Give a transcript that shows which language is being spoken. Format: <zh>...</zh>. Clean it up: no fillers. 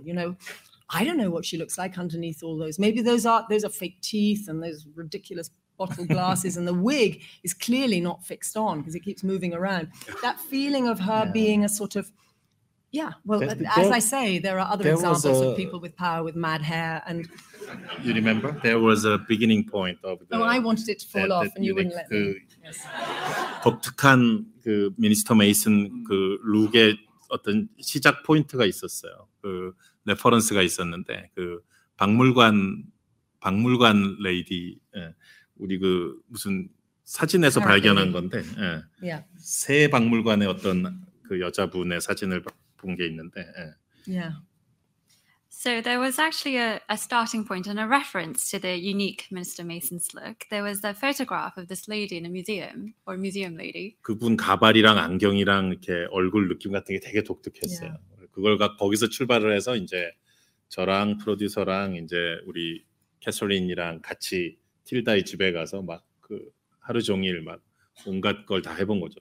<en>You know, I don't know what she looks like underneath all those. Maybe those are fake teeth and those ridiculous bottle glasses and the wig is clearly not fixed on because it keeps moving around. That feeling of her being a sort of, there are other examples of people with power with mad hair. And you remember there was a beginning point of the, I wanted it to fall off and you wouldn't let me. Yes.</en> <ko>독특한 그 미니스터 메이슨 그 룩의 어떤 시작 포인트가 있었어요. 그 레퍼런스가 있었는데 그 박물관 레이디 우리 그 무슨 사진에서 발견한 건데 새 박물관의 어떤 그 여자분의 사진을 본 게 있는데</ko> <en>So there was actually a starting point and a reference to the unique Minister Mason's look. There was a photograph of this lady in a museum, or museum lady.</en> <ko>그분 가발이랑 안경이랑 이렇게 얼굴 느낌 같은 게 되게 독특했어요.</ko> <en>Yeah.</en> <ko>그걸 거기서 출발을 해서 이제 저랑 프로듀서랑 이제 우리 캐서린이랑 같이 틸다의 집에 가서 막 그 하루 종일 막 온갖 걸 다 해본 거죠.</ko>